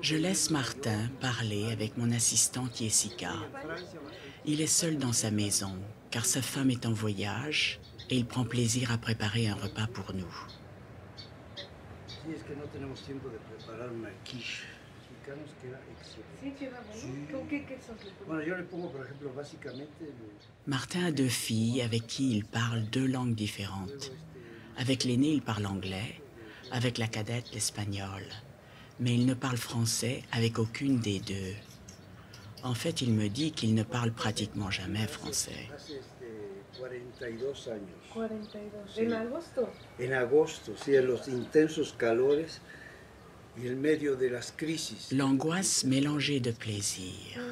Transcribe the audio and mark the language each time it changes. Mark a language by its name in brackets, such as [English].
[French] Je laisse Martin parler avec mon assistant Jessica. Il est seul dans sa maison, car sa femme est en voyage et il prend plaisir à préparer un repas pour nous. Si, est-ce que nous n'avons pas le temps de préparer une quiche? [Spanish] mexicanos que era excelente. [French] Sí, tu vas voir. Qu'est-ce que c'est? [Spanish] Bueno, yo le pongo, por ejemplo, básicamente. [French] Martin a deux filles avec qui il parle deux langues différentes. Avec l'aîné, il parle anglais. Avec la cadette, l'espagnol. Mais il ne parle français avec aucune des deux. En fait, il me dit qu'il ne parle pratiquement jamais français. [Spanish] 42 años. 42. En agosto. En agosto, sí, en los intensos calores y en medio de las crisis. [French] L'angoisse mélangée de plaisir.